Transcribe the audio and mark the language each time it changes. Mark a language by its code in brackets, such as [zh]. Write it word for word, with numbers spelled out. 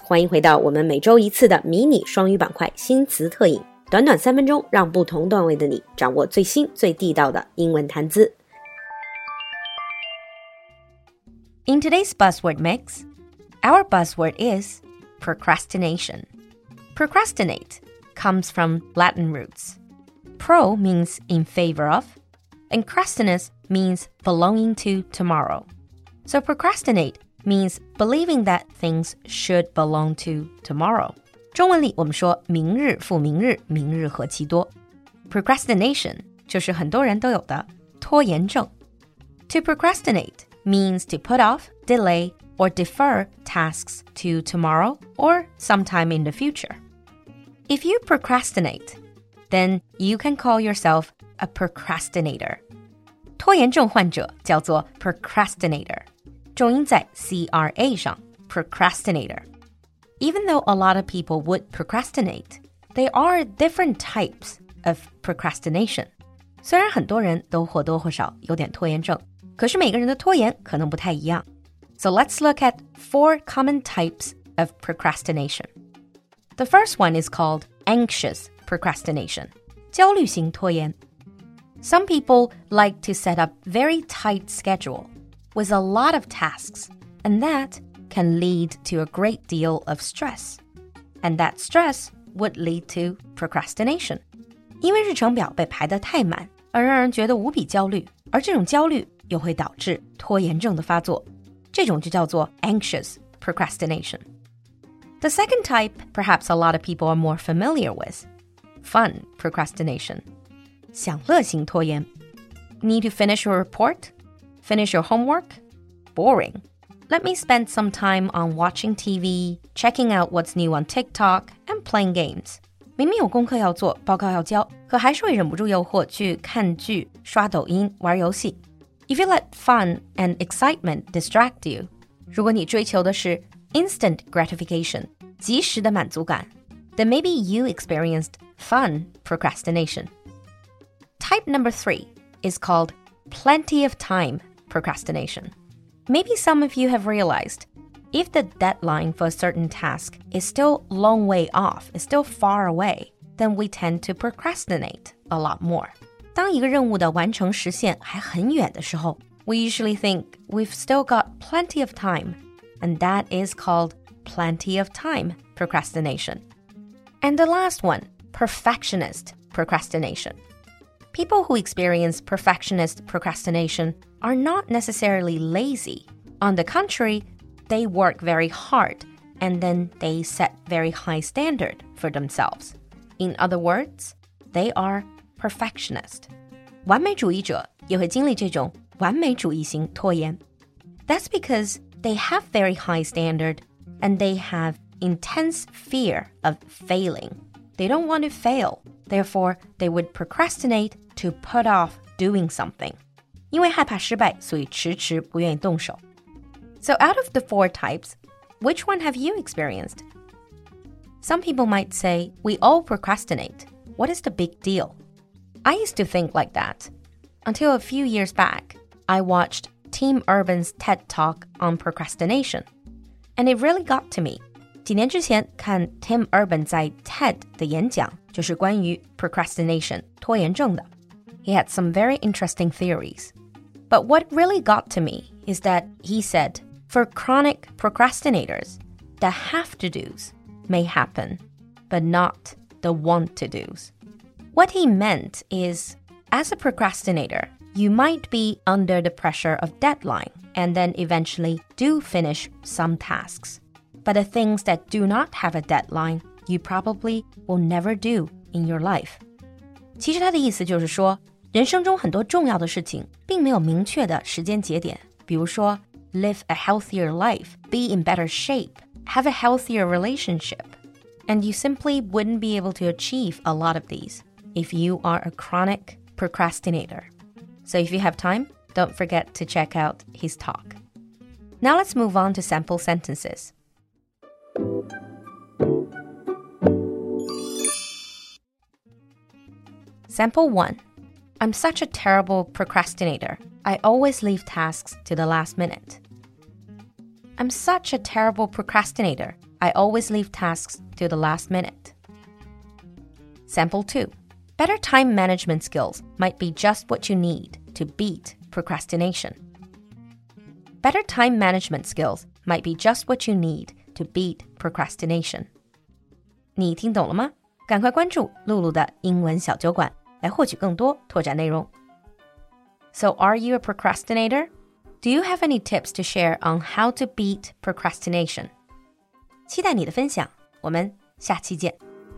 [zh] 欢迎回到我们每周一次的迷你双语板块新词特饮。短短三分钟让不同段位的你掌握最新最地道的英文谈资。 [en] In today's Buzzword Mix, our buzzword is procrastination. Procrastinate comes from Latin roots. Pro means in favor of, and crastinus means belonging to tomorrow. So procrastinate means believing that things should belong to tomorrow. [zh] 中文里我们说明日复明日，明日何其多。 Procrastination 就是很多人都有的拖延症。 [en] To procrastinate means to put off, delay, or defer tasks to tomorrow or sometime in the future. If you procrastinate, then you can call yourself a procrastinator. [zh] 拖延症患者叫做 procrastinator. 重音在 C R A 上 [en] procrastinator. Even though a lot of people would procrastinate, there are different types of procrastination. [zh] 虽然很多人都或多或少有点拖延症，可是每个人的拖延可能不太一样。 [en] So let's look at four common types of procrastination. The first one is called anxious procrastination, [zh] 焦虑型拖延。 [en] Some people like to set up very tight schedule. With a lot of tasks, and that can lead to a great deal of stress. And that stress would lead to procrastination. [zh] 因为日程表被排得太满，而让人觉得无比焦虑，而这种焦虑又会导致拖延症的发作。这种就叫做 [en] anxious procrastination. The second type, perhaps a lot of people are more familiar with, fun procrastination. [zh] 享乐型拖延。 [en] Need to finish your report? Finish your homework? Boring. Let me spend some time on watching T V, checking out what's new on TikTok, and playing games. [zh] 明明有功课要做，报告要交，可还是会忍不住诱惑去看剧、刷抖音、玩游戏。 [en] If you let fun and excitement distract you, [zh] 如果你追求的是 [en] instant gratification, [zh] 即时的满足感 [en] then maybe you experienced fun procrastination. Type number three is called plenty of time. Procrastination. Maybe some of you have realized if the deadline for a certain task is still a long way off, is still far away, then we tend to procrastinate a lot more. [zh] 当一个任务的完成时限还很远的时候 [en] we usually think we've still got plenty of time, and that is called plenty of time procrastination. And the last one, perfectionist procrastination. People who experience perfectionist procrastination are not necessarily lazy. On the contrary, they work very hard and then they set very high standard for themselves. In other words, they are perfectionist. [zh] 完美主义者也会经历这种完美主义型拖延。 [en] That's because they have very high standard and they have intense fear of failing. They don't want to fail. Therefore, they would procrastinate to put off doing something. [zh] 因为害怕失败，所以迟迟不愿意动手。 [en] So out of the four types, which one have you experienced? Some people might say, we all procrastinate. What is the big deal? I used to think like that. Until a few years back, I watched Tim Urban's TED Talk on procrastination. And it really got to me. [zh] 几年之前看 Tim Urban 在 TED 的演讲就是关于 procrastination, 拖延症的。 [en] He had some very interesting theories. But what really got to me is that he said, for chronic procrastinators, the have-to-dos may happen, but not the want-to-dos. What he meant is, as a procrastinator, you might be under the pressure of deadline and then eventually do finish some tasks. But the things that do not have a deadline,You probably will never do in your life. [zh] 其实他的意思就是说，人生中很多重要的事情并没有明确的时间节点。比如说 [en] live a healthier life, be in better shape, have a healthier relationship. And you simply wouldn't be able to achieve a lot of these if you are a chronic procrastinator. So if you have time, don't forget to check out his talk. Now let's move on to sample sentences. Sample one. I'm such a terrible procrastinator. I always leave tasks to the last minute. I'm such a terrible procrastinator. I always leave tasks to the last minute. Sample two. Better time management skills might be just what you need to beat procrastination. Better time management skills might be just what you need to beat procrastination. [zh] 你听懂了吗？赶快关注露露的英文小酒馆，来获取更多拓展内容。 [en] So are you a procrastinator? Do you have any tips to share on how to beat procrastination? [zh] 期待你的分享，我们下期见。